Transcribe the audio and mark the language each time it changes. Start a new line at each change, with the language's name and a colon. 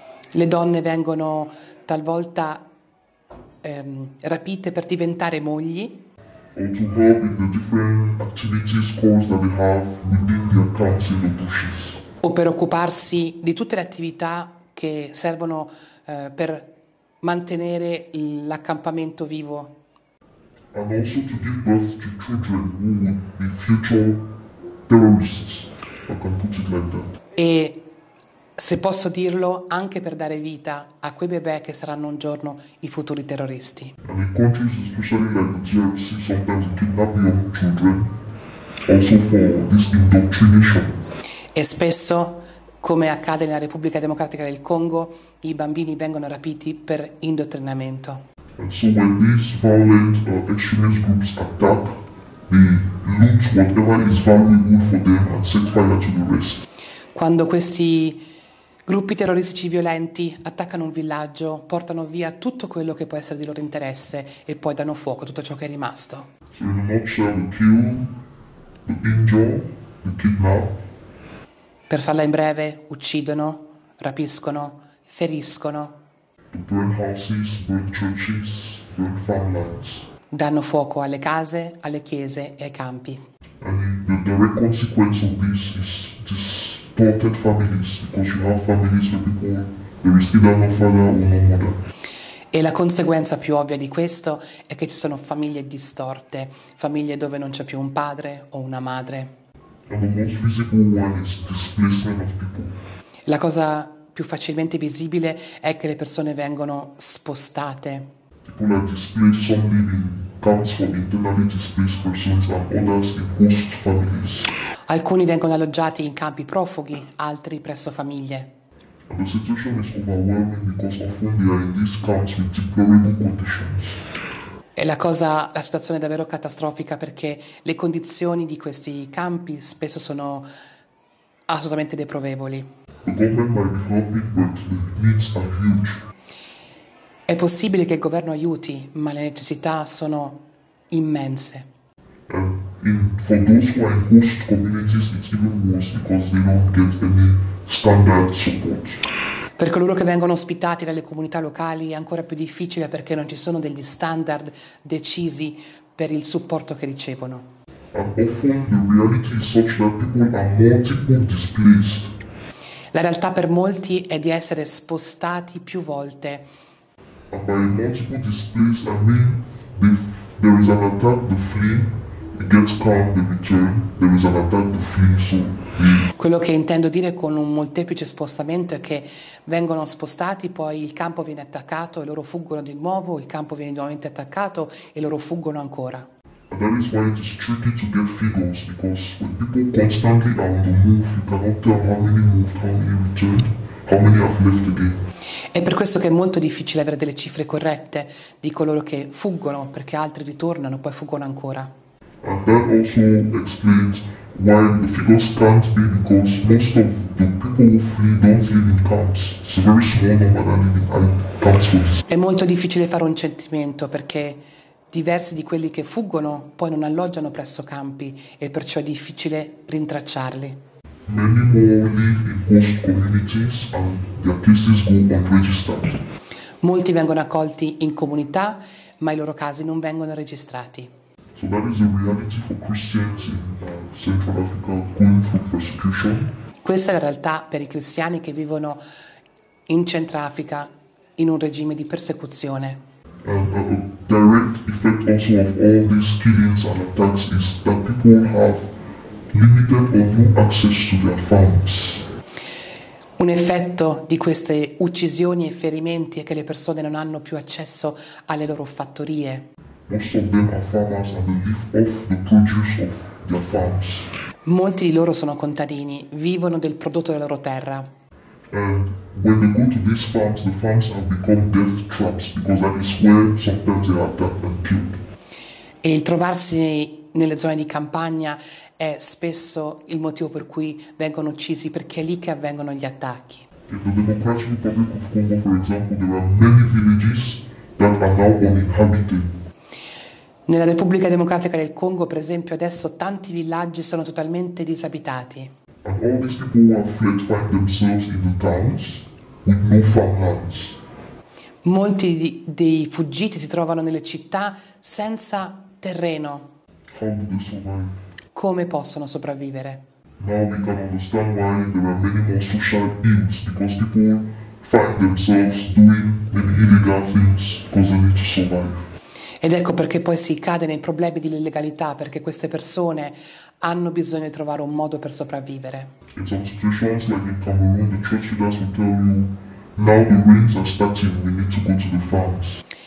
Italian: Le donne vengono talvolta rapite per diventare mogli.
English: Or to help in the different activities course that they have within their camps in the bushes.
Italian: O per occuparsi di tutte le attività che servono per mantenere l'accampamento vivo.
English: And also to give birth to children who would be future terrorists, I can put it like that.
Italian: E se posso dirlo, anche per dare vita a quei bebè che saranno un giorno i futuri terroristi.
English: And in countries, especially like the DRC, sometimes they kidnap young children, also for this indoctrination.
Italian: E spesso, come accade nella Repubblica Democratica del Congo, i bambini vengono rapiti per indottrinamento.
English: And so when these violent extremist groups attack, they loot whatever is valuable for them and set fire to the rest.
Italian: Quando questi gruppi terroristici violenti attaccano un villaggio, portano via tutto quello che può essere di loro interesse e poi danno fuoco a tutto ciò che è rimasto.
English: So in a nutshell, they kill, they injure, they kidnap.
Italian: Per farla in breve, uccidono, rapiscono, feriscono.
English: They burn houses, burn churches, burn farmlands.
Italian: Danno fuoco alle case, alle chiese e ai campi.
English: And the direct consequence of this is this. Distorted families, because you have families where people, there is either no father or no mother.
Italian: E la conseguenza più ovvia di questo è che ci sono famiglie distorte, famiglie dove non c'è più un padre o una madre.
English: And the most visible one is displacement of people.
Italian: La cosa più facilmente visibile è che le persone vengono spostate.
English: People are displaced, some live in camps for internally displaced persons and others in host families.
Italian: Alcuni vengono alloggiati in campi profughi, altri presso famiglie.
English: And the situation is overwhelming because often they are in these camps with deplorable conditions.
Italian: E la situazione è davvero catastrofica perché le condizioni di questi campi spesso sono assolutamente deprovevoli.
English: The government might be helping, but the needs are huge.
Italian: È possibile che il governo aiuti, ma le necessità sono immense.
English: For those who are in host communities, it's even worse because they don't get any standard support.
Italian: Per coloro che vengono ospitati dalle comunità locali è ancora più difficile perché non ci sono degli standard decisi per il supporto che ricevono.
English: And often the reality is such that people are multiple displaced. La realtà per molti è di essere spostati più volte. And by multiple displaced, I mean if there is an attack, they flee. It gets calm, they return, there is an attack, they flee, so they...
Italian: Quello che intendo dire con un molteplice spostamento è che vengono spostati, poi il campo viene attaccato e loro fuggono di nuovo, il campo viene nuovamente attaccato e loro fuggono ancora.
English: And that is why it is tricky to get figures, because when people constantly are on the move, you cannot tell how many moved, how many returned, how many have left again.
Italian: È per questo che è molto difficile avere delle cifre corrette di coloro che fuggono, perché altri ritornano, poi fuggono ancora.
English: And that also explains why the figures can't be, because most of the people who flee don't live in camps. It's a very small number that live in camps for this.
Italian: È molto difficile fare un censimento perché diversi di quelli che fuggono poi non alloggiano presso campi e perciò è difficile rintracciarli.
English: Many more live in host communities and their cases go unregistered.
Italian: Molti vengono accolti in comunità, ma i loro casi non vengono registrati.
English: So that is a reality for Christians in Central Africa going through persecution.
Italian: Questa è la realtà per i cristiani che vivono in Centrafrica in un regime di persecuzione.
English: A direct effect also of all these killings and attacks is that people have limited or no access to their farms.
Italian: Un effetto di queste uccisioni e ferimenti è che le persone non hanno più accesso alle loro fattorie.
English: Most of them are farmers and they live off the produce of their farms.
Italian: Molti di loro sono contadini, vivono del prodotto della loro terra.
English: And when they go to these farms, the farms have become death traps because that is where sometimes they are attacked and killed.
Italian: E il trovarsi nelle zone di campagna è spesso il motivo per cui vengono uccisi, perché è lì che avvengono gli attacchi.
English: In the Democratic Republic of Congo, for example, there are many villages that are now uninhabited.
Italian: Nella Repubblica Democratica del Congo, per esempio, adesso tanti villaggi sono totalmente disabitati.
English: And all these people who have fled find themselves in the towns with no farmlands.
Italian: Molti dei fuggiti si trovano nelle città senza terreno.
English: How do they survive?
Italian: Come possono sopravvivere?
English: Now we can understand why there are many more social ills, because people find themselves doing many illegal things because they need to survive.
Italian: Ed ecco perché poi si cade nei problemi dell'illegalità, perché queste persone hanno bisogno di trovare un modo per sopravvivere.
English: In some situations like in Cameroon, the church leaders will tell you, now the rains are starting, we need to go to the farms.